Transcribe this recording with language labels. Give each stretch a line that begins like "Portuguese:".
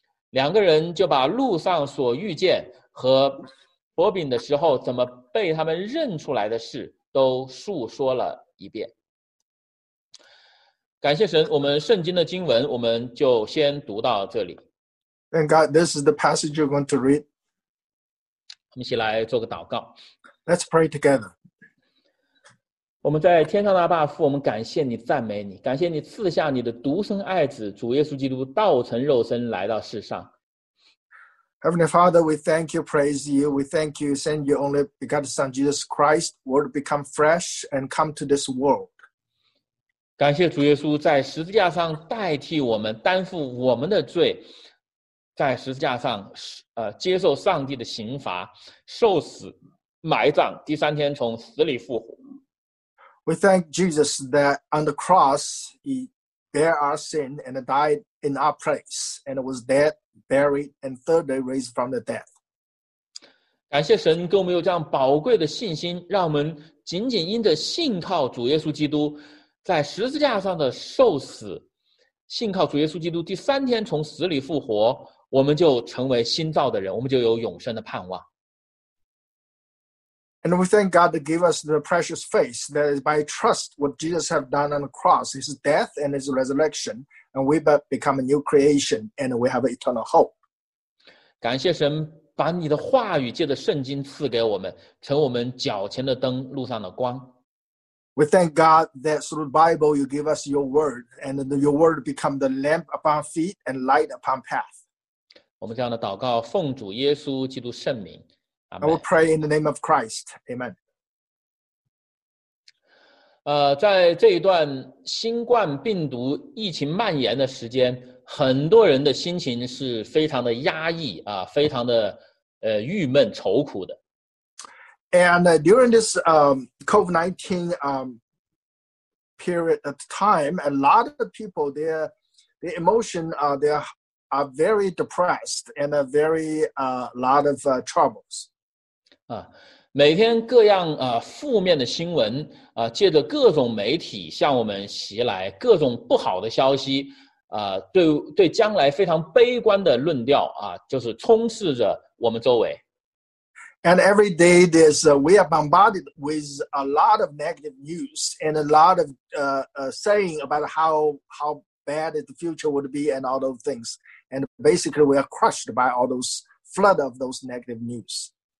Chinese: 两个人就把路上所遇见和薄饼的时候怎么被他们认出来的事都述说了一遍。感谢神，我们圣经的经文我们就先读到这里。
English: Thank God, this is the passage you're going to read.
Chinese: 我们一起来做个祷告。
English: Let's pray together.
Chinese: 我们在天上的阿爸父，我们感谢你，赞美你，感谢你赐下你的独生爱子主耶稣基督道成肉身来到世上。
English: Heavenly Father, we thank you, praise you. We thank you, send your only begotten Son, Jesus Christ, Word become flesh and come to this world.
Chinese: 感谢主耶稣在十字架上代替我们，担负我们的罪，在十字架上接受上帝的刑罚，受死埋葬，第三天从死里复活。
English: We thank Jesus that on the cross, he bare our sin and died in our place, and was dead. Buried and third day raised from the dead.
Chinese: 感谢神给我们有这样宝贵的信心，让我们仅仅因着信靠主耶稣基督在十字架上的受死，信靠主耶稣基督第三天从死里复活，我们就成为新造的人，我们就有永生的盼望。
English: And we thank God to give us the precious faith that is by trust what Jesus has done on the cross, his death and his resurrection, and we become a new creation and we have eternal hope.
Chinese: 感谢神把你的话语借着圣经赐给我们，成我们脚前的灯，路上的光。
English: We thank God that through the Bible you give us your word, and your word become the lamp upon feet and light upon path.
Chinese: 我们这样的祷告，奉主耶稣基督圣名。
English: I will pray in the name of Christ. Amen.
Chinese: 在这一段新冠病毒疫情蔓延的时间，很多人的心情是非常的压抑啊，非常的郁闷愁苦的。
English: And during this COVID-19 period of time, a lot of people, their emotion, they are very depressed and a very lot of troubles.
Chinese: 每天各样负面的新闻借着各种媒体向我们袭来，各种不好的消息对将来非常悲观的论调就是充斥着我们周围。
English: And every day there's we are bombarded with a lot of negative news and a lot of saying about how bad the future would be and all those things. And basically we are crushed by all those flood of those negative news.